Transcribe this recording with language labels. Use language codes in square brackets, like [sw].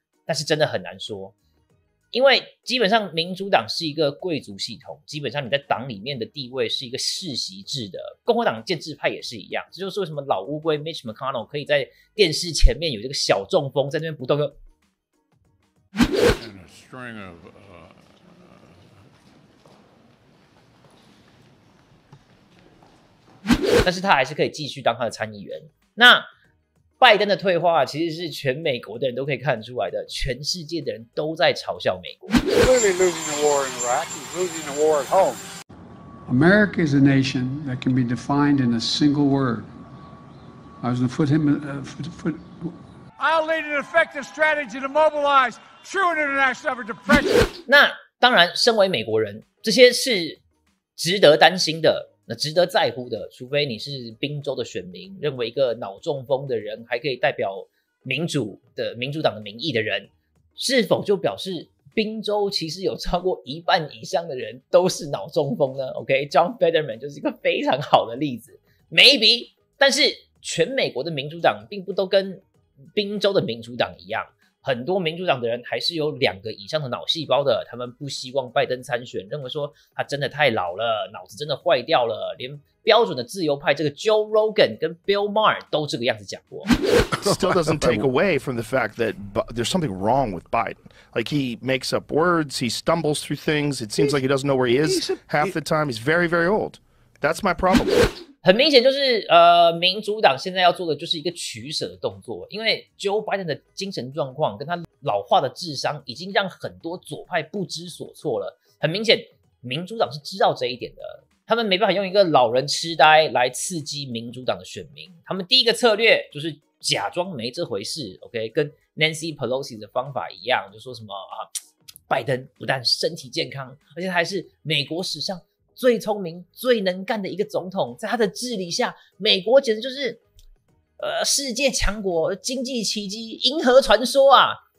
[zh] 但是真的很难说，因为基本上民主党是一个贵族系统，基本上你在党里面的地位是一个世袭制的，共和党建制派也是一样，这就是为什么老乌龟 Mitch McConnell 可以在电视前面有这个小中风在那边不动，就 [en] In a string of [zh] 但是他还是可以继续当他的参议员。那拜登的退化其实是全美国的人都可以看出来的，全世界的人都在嘲笑美国。 [en] Clearly losing the war in Iraq, he's losing the war at home. America is a nation that can be defined in a single word. I was going to put him. I'll lead an effective strategy to mobilize true international effort to pressure. [zh] 那当然，身为美国人，这些是值得担心的。那值得在乎的，除非你是宾州的选民，认为一个脑中风的人还可以代表民主的民主党的民意的人，是否就表示宾州其实有超过一半以上的人都是脑中风呢 ？OK， John Fetterman 就是一个非常好的例子 ，maybe。但是全美国的民主党并不都跟宾州的民主党一样，很多民主党的人还是有两个以上的脑细胞的，他们不希望拜登参选，认为说他真的太老了，脑子真的坏掉了，连标准的自由派这个 Joe Rogan 跟 Bill Maher 都这个样子讲过。 [en] Still doesn't take away from the fact that there's something wrong with Biden. Like he makes up words, he stumbles through things, it seems like he doesn't know where he is half the time, he's very, very old. That's my problem. [zh] 很明显就是民主党现在要做的就是一个取舍的动作，因为 Joe Biden 的精神状况跟他老化的智商已经让很多左派不知所措了。很明显民主党是知道这一点的，他们没办法用一个老人痴呆来刺激民主党的选民，他们第一个策略就是假装没这回事， OK， 跟 Nancy Pelosi 的方法一样，就说什么啊，拜登不但身体健康，而且他还是美国史上最聪明最能干的一个总统，在他的治理下美国简直就是世界强国，经济奇迹，银河传说啊。